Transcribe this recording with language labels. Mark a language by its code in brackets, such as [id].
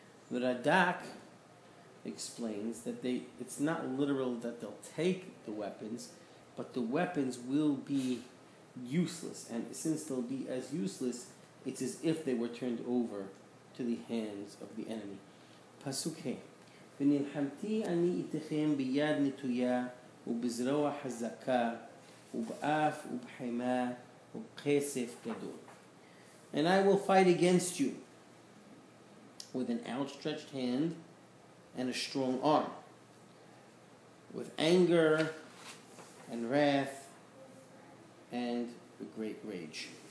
[en] The Radak explains that it's not literal that they'll take the weapons, but the weapons will be useless, and since they'll be as useless, it's as if they were turned over to the hands of the enemy. Pasukhe. [he] ונלחמתי אני איתכם ביד נטויה ובזרוע חזקה ובאף ובחימה ובכסף גדול. [en] And I will fight against you with an outstretched hand and a strong arm, with anger and wrath and a great rage.